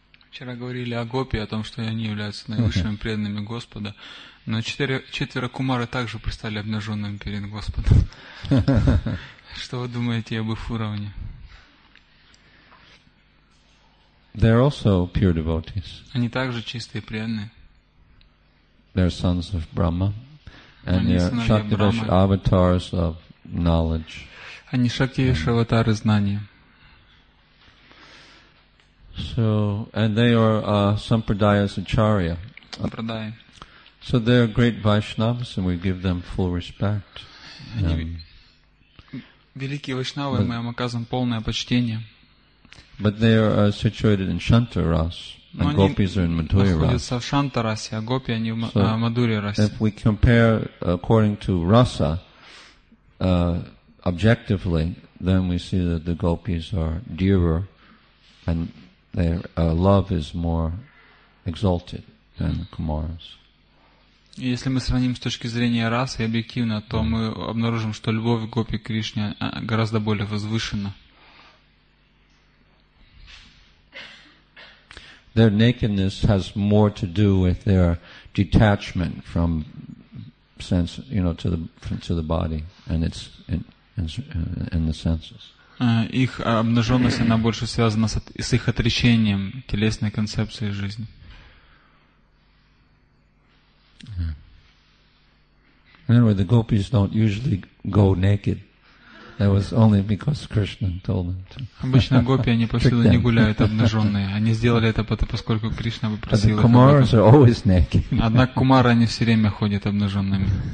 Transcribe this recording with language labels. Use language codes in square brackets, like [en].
[ru] Вчера говорили о гопи, о том, что они являются наивысшими преданными Господа, но четверо кумары также пристали обнаженными перед Господом. Что вы думаете об их уровне? [en] They're also pure devotees. [ru] Они также чистые преданные. [en] They're sons of Brahma, and they're Shaktivesh avatars of knowledge. [ru] Они шактивиши аватары знания. [en] So, and they are sampradaya's acharya. Sampradaya. So they are great Vaishnavas, and we give them full respect. [ru] Великие вайшнавы, мы им оказываем полное почтение. [en] But they are situated in Shantaras, and gopis are in Madhurya-rasa. [ru] Они находятся в Шантарасе, а гопи они в Мадхурья-расе. [en] If we compare according to rasa, objectively, then we see that the gopis are dearer and their love is more exalted than the kumaras. [ru] Если мы сравним с точки зрения расы объективно, то мы обнаружим, что любовь гопи к Кришне гораздо более возвышена. [en] Their nakedness has more to do with their detachment from sense, you know, to the body and its in the senses. [ru] Их обнаженность она больше связана с их отречением телесной концепции жизни. [en] Anyway, the gopis don't usually go naked. That was only because Krishna told them to. [ru] Обычно гопи они повсюду не гуляют обнаженные. Они сделали это поскольку Кришна попросил. [en] But the kumaras are always naked. [ru] Однако кумары они все время ходят обнаженными.